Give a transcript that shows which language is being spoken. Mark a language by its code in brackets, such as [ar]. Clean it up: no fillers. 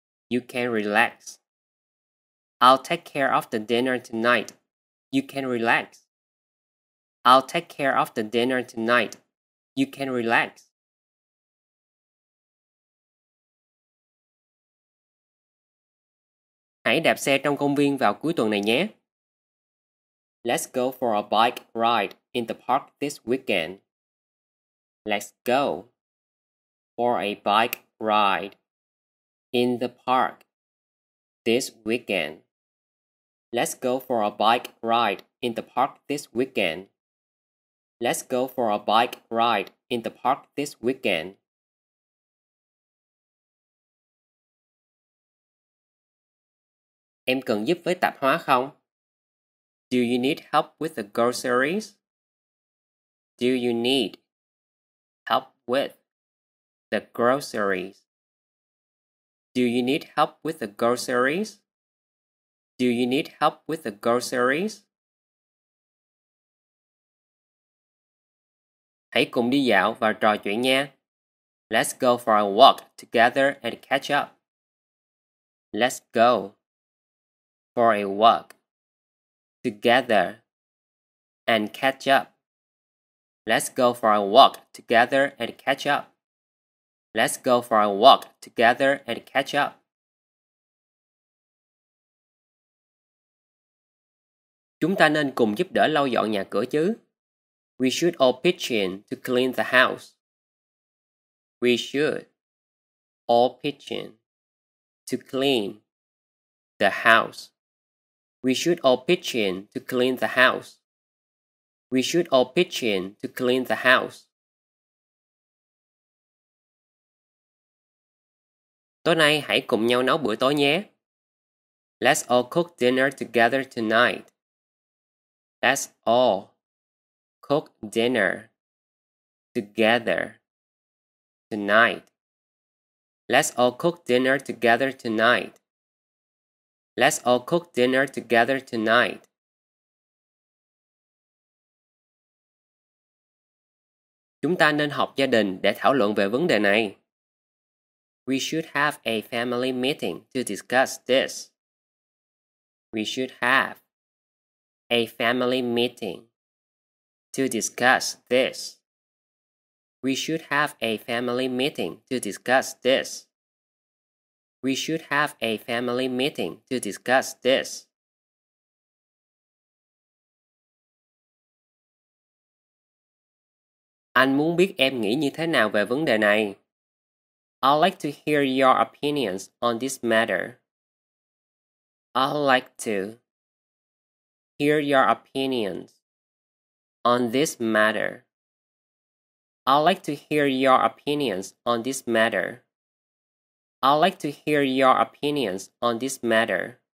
[en] You can relax. I'll take care of the dinner tonight. You can relax. I'll take care of the dinner tonight. You can relax. [vi] Hãy đạp xe trong công viên vào cuối tuần này nhé. [en] Let's go for a bike ride in the park this weekend. Let's go for a bike ride in the park this weekend. Let's go for a bike ride in the park this weekend. Let's go for a bike ride in the park this weekend. [vi] Em cần giúp với tạp hóa không? [en] Do you need help with the groceries? Do you need help with the groceries? Do you need help with the groceries? Do you need help with the groceries? [vi] Hãy cùng đi dạo và trò chuyện nha. [en] Let's go for a walk together and catch up. Let's go for a walk together and catch up. Let's go for a walk together and catch up. Let's go for a walk together and catch up. [vi] Chúng ta nên cùng giúp đỡ lau dọn nhà cửa chứ. [en] We should all pitch in to clean the house. We should all pitch in to clean the house. We should all pitch in to clean the house. We should all pitch in to clean the house. [vi] Tối nay hãy cùng nhau nấu bữa tối nhé. [en] Let's all cook dinner together tonight. Let's all cook dinner together tonight. Let's all cook dinner together tonight. Let's all cook dinner together tonight. [vi] Chúng ta nên họp gia đình để thảo luận về vấn đề này. [en] We should have a family meeting to discuss this. We should have a family meeting to discuss this. We should have a family meeting to discuss this. We should have a family meeting to discuss this. [vi] Anh muốn biết em nghĩ như thế nào về vấn đề này. [en] I'd like to hear your opinions on this matter. I'd like to hear your opinions on this matter. I'd like to hear your opinions on this matter. I'd like to hear your opinions on this matter.